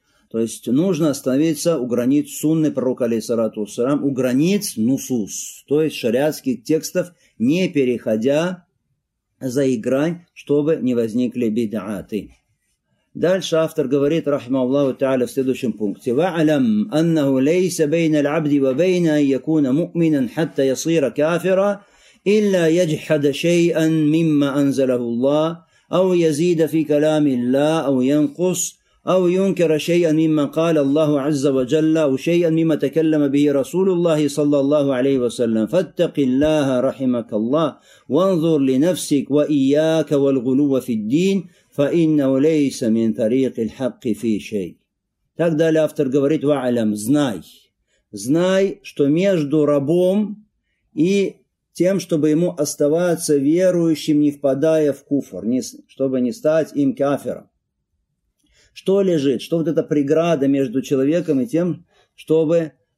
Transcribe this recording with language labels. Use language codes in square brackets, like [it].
[ru] То есть нужно остановиться у границ сунны пророка, алейхиссалату вассалям, у границ нусус, то есть шариатских текстов, не переходя за их грань, чтобы не возникли бидааты. Дальше автор говорит, рахимахуллаху тааля, в следующем пункте: [ar] «Ва'алам аннаху лейса бейна л'абди ва бейна якуна му'минан хатта ясира кафира». إلا يجحد شيئا مما أنزله الله أو يزيد في كلام الله أو ينقص أو ينكر شيئا مما قال الله عز وجل أو شيئا مما تكلم به رسول الله صلى الله عليه وسلم فاتق الله رحمك الله وانظر لنفسك وإياك والغلو في الدين فإنه ليس من طريق الحق في شيء. [ru] Так далее автор говорит: [ar] وعلم, [ru] знай, что между рабом и тем, чтобы ему оставаться верующим, не впадая в куфр, чтобы не стать им кафиром. Что лежит, что вот эта преграда между человеком и тем, чтобы